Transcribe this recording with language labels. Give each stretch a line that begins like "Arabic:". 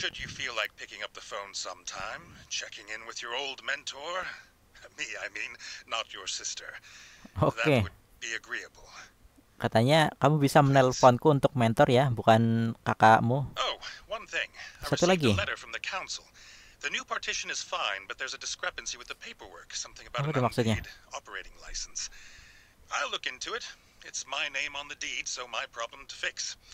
English: Should you feel like picking up the phone sometime, checking in with your old mentor? Me, I mean, not your sister. Okay. That would be agreeable.
Indonesian: Katanya kamu bisa menelponku untuk mentor ya, bukan kakakmu.
English: Oh, one thing.
Indonesian: Satu lagi.
English: A letter from the council. The new partition is fine, but there's a discrepancy with the paperwork. Something about an unpaid operating license. I'll look into it. It's my name on the deed, so my problem to fix.